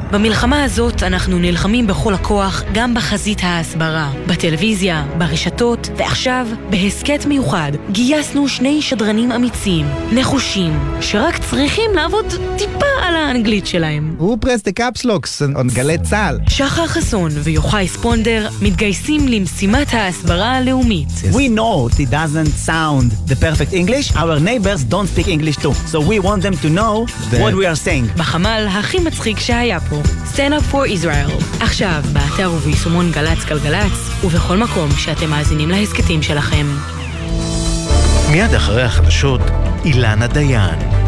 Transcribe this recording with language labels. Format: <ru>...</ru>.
<he>במלחמה הזאת אנחנו נלחמים בכל הכוח, גם בחזית ההסברה, בטלוויזיה, ברשתות, ועכשיו בהסקט מיוחד גייסנו שני שדרנים אמיצים, נחושים, שרק צריכים לעבוד טיפה על האנגלית שלהם. הוא פרס דה קאפס לוקס על גלי צהל. שחר חסון ויוחאי ספונדר מתגייסים למשימת ההסברה הלאומית.</he> <en>We know it doesn't sound the perfect English. Our neighbors don't speak English too. So we want them to know what we are saying.</en> <he>בחמל הכי מצחיק שהיה פה.</he> <en>Stand up for Israel.</en> <he>עכשיו, באתר וביישומון גלץ גלגלץ, ובכל מקום שאתם מאזינים להסקטים שלכם. מיד אחרי החדשות, אילנה דיין.</he>